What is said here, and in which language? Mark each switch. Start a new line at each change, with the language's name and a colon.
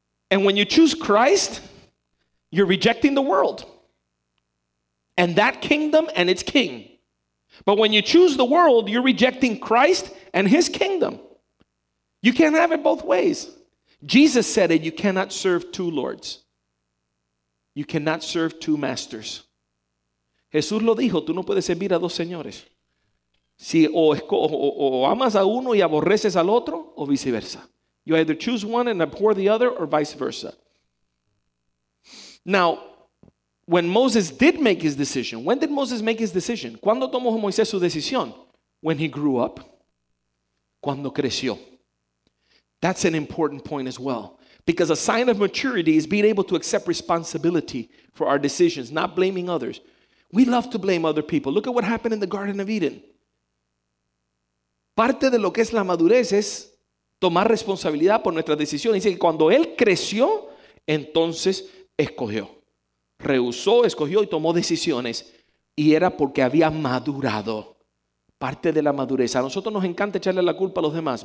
English: And when you choose Christ, you're rejecting the world. And that kingdom and its king. But when you choose the world, you're rejecting Christ and his kingdom. You can't have it both ways. Jesus said it, you cannot serve two lords. You cannot serve two masters.
Spanish: Jesús lo dijo, tú no puedes servir a dos señores. Si o amas a uno y aborreces al otro, o viceversa.
English: You either choose one and abhor the other, or vice versa. Now, when Moses did make his decision, when did Moses make his decision?
Spanish: ¿Cuándo tomó Moisés su decisión?
English: When he grew up.
Spanish: Cuando creció.
English: That's an important point as well. Because a sign of maturity is being able to accept responsibility for our decisions, not blaming others. We love to blame other people. Look at what happened in the Garden of Eden.
Spanish: Parte de lo que es la madurez es tomar responsabilidad por nuestras decisiones. Dice que cuando él creció, entonces escogió. Rehusó, escogió y tomó decisiones Y era porque había madurado. Parte de la madurez. A nosotros nos encanta echarle la culpa a los demás.